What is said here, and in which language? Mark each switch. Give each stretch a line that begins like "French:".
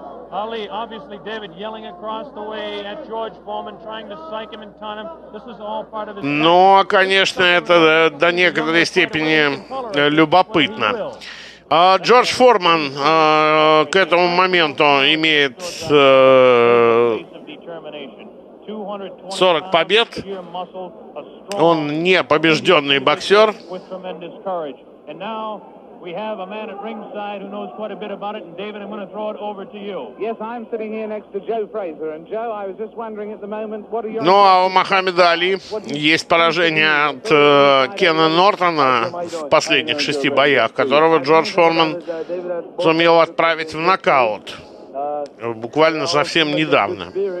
English: Али, obviously, David yelling across the way at George Foreman, trying to psych him and taunt him. This is all part of his...
Russian: Ну, конечно, это до некоторой степени любопытно. Джордж Форман к этому моменту имеет 40 побед. Он не побежденный боксер.
English: We have a man at ringside who knows quite a bit about it, and David, I'm going to throw it over to you. Yes, I'm sitting here next to Joe Frazier, and Joe, I was just wondering at the moment, what are your...
Russian: Ну, а у Мохаммеда Али есть поражение от Кена Нортона в последних шести боях, которого Джордж Форман сумел отправить в нокаут буквально совсем недавно.